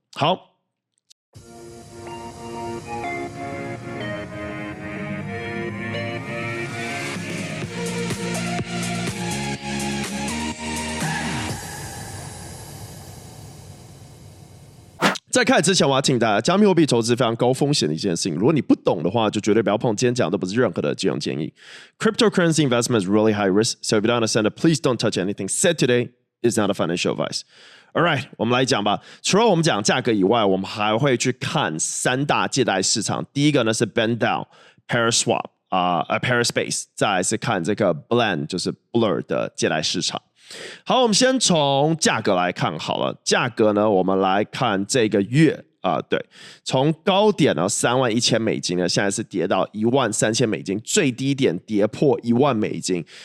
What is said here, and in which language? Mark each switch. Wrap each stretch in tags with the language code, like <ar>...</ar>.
<zh>好，在开始之前，我要请大家，加密货币投资非常高风险的一件事情。如果你不懂的话，就绝对不要碰。今天讲的不是任何的金融建议。</zh> <en>Cryptocurrency investment is really high risk, so if you don't understand, please don't touch anything said today. It's not a financial advice. All right,</en> <zh>我们来讲吧。除了我们讲价格以外，我们还会去看三大借贷市场。第一个呢是 Bandao Pair Swap 啊 Pair Space， 再来是看这个 Blend 就是 Blur 的借贷市场。好，我们先从价格来看好了。价格呢，我们来看这个月对，从高点呢$31,000呢，现在是跌到$13,000，最低点跌破$10,000。</zh>